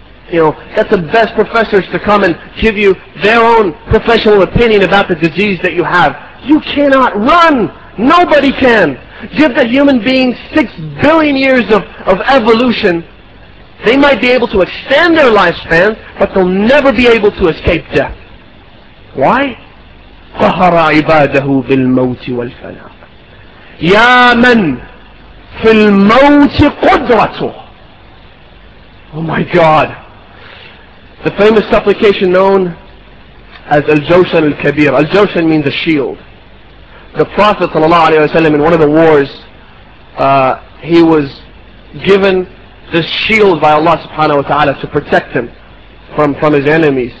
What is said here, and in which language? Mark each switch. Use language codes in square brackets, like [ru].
[en] You know, get the best professors to come and give you their own professional opinion about the disease that you have. You cannot run. Nobody can. Give the human being 6 billion years of evolution. They might be able to extend their lifespan, but they'll never be able to escape death. Why? [ar] قهر عباده بالموت والفناء يا من في الموت قدرته. [en] Oh my God. The famous supplication known as Al-Jawshan Al-Kabir. Al-Jawshan means a shield. The Prophet sallallahu alayhi wa sallam, in one of the wars, he was given this shield by Allah subhanahu wa ta'ala to protect him from his enemies.